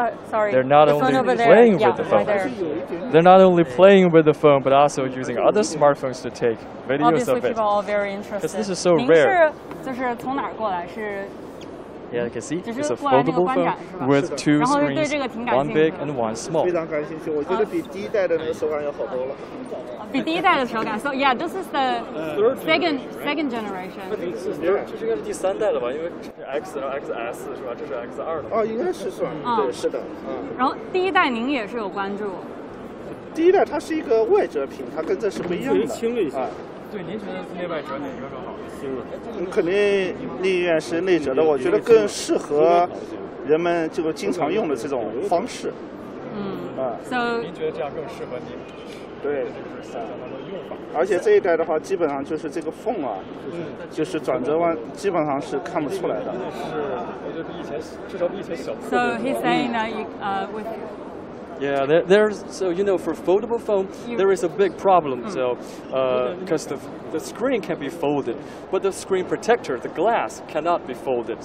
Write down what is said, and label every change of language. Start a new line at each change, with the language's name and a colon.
English: they're not only playing with the phone. They're not only playing with the phone, but also using other smartphones to take videos of it. Obviously, people are all very interested. Because this is so rare.
Chinese: 就是从哪儿过来？是
English: Yeah, you can see it's a foldable phone with two screens, one big and one small.
Chinese: 非常感兴趣，我觉得比第一代的那个手感要好多了。比第一代的手感
English: ，So yeah, this is the second generation.
Chinese: 这是应该是第三代了吧？因为 XS 是吧？这是 X2 的。哦，应该是吧？对，是的。然后第一代您也是有关注。第一代它是一个外折屏，它跟这是不一样的。轻了一些。对，您觉得内外折哪个更好？轻了。肯定宁愿是内折的，我觉得更适合人们这个经常用的这种方式。
English: So
Chinese: 您觉得这样更适合您？对，而且这一代的话，基本上就是这个缝啊，就是转折弯，基本上是看不出来的。是，至少比以前小。
English: So he's saying that you, with. Yeah, there's so you know for foldable phone, there is a big problem. So, because the screen can be folded, but the screen protector, the glass, cannot be folded.